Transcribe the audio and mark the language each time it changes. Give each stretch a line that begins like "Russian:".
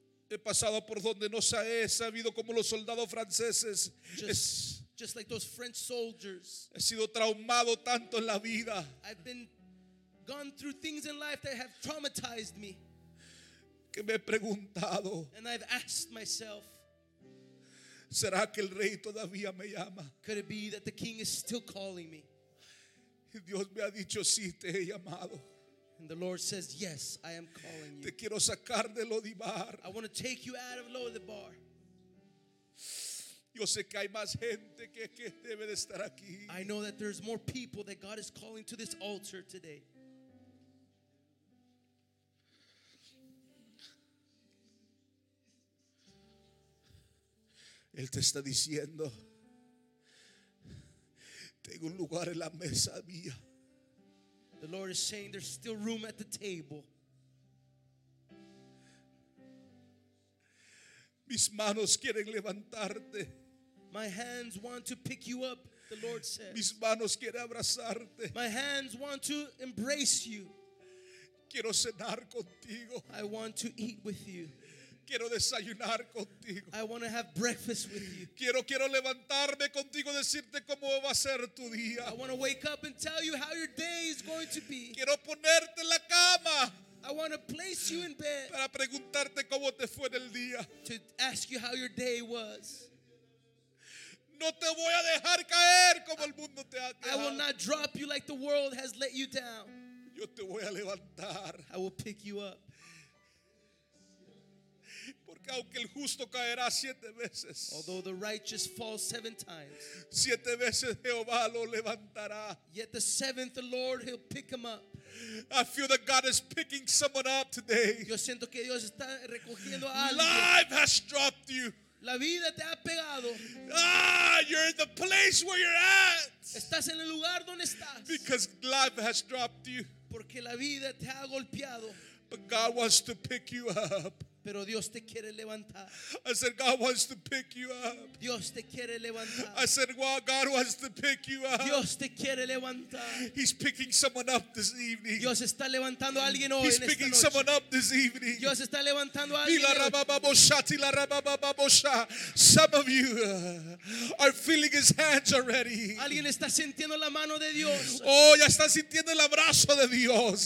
Spanish: He pasado por donde no se ha sabido como los soldados franceses.
English: Just like those French soldiers.
Spanish: He sido traumado tanto en la vida.
English: I've been gone through things in life that have traumatized me.
Spanish: Que me he preguntado.
English: And I've asked myself.
Spanish: ¿Será que el rey todavía me llama?
English: Could it be that the king is still calling me?
Spanish: Y Dios me ha dicho, sí, te he llamado.
English: And the Lord says, yes, I am calling you.
Spanish: Te quiero sacar de Lodibar.
English: I want to take you out of Lodibar.
Spanish: Yo sé que hay más gente que debe de estar aquí.
English: I know that there's more people that God is calling to this altar today.
Spanish: Él te está diciendo, tengo un lugar en la mesa mía.
English: The Lord is saying there's still room at the table.
Spanish: Mis manos quieren levantarte.
English: My hands want to pick you up, the Lord says.
Spanish: Mis manos quieren abrazarte.
English: My hands want to embrace you.
Spanish: Quiero cenar contigo.
English: I want to eat with you.
Spanish: Quiero desayunar contigo.
English: I want to have breakfast with you.
Spanish: Quiero levantarme contigo, decirte cómo va a ser tu día.
English: I want to wake up and tell you how your day is going to be.
Spanish: Quiero ponerte en la cama.
English: I want to place you in bed.
Spanish: Para preguntarte cómo te fue en el día.
English: To ask you how your day was.
Spanish: No te voy a dejar caer como el mundo te ha dejado.
English: I will not drop you like the world has let you down.
Spanish: Yo te voy a levantar.
English: I will pick you up.
Spanish: aunque el justo caerá siete veces,
English: although the righteous falls seven times,
Spanish: siete veces Jehová lo levantará.
English: Yet the seventh, the Lord, he'll pick him up. I feel that God is picking someone up today.
Spanish: Yo siento que Dios está recogiendo a alguien.
English: Life has dropped you.
Spanish: La vida te ha pegado.
English: Ah, you're in the place where you're at.
Spanish: Estás en el lugar donde estás.
English: Because life has dropped you.
Spanish: Porque la vida te ha golpeado.
English: But God wants to pick you up.
Spanish: Pero Dios te quiere levantar.
English: I said God wants to pick you up.
Spanish: Dios te quiere levantar.
English: I said, well, God wants to pick you up.
Spanish: Dios te quiere levantar.
English: He's picking someone up this evening.
Spanish: Dios está levantando a alguien hoy.
English: He's picking someone up this evening.
Spanish: Dios está levantando a alguien.
English: Some of you are feeling his hands already.
Spanish: Alguien está sintiendo la mano de Dios. Oh, ya está sintiendo el abrazo de Dios.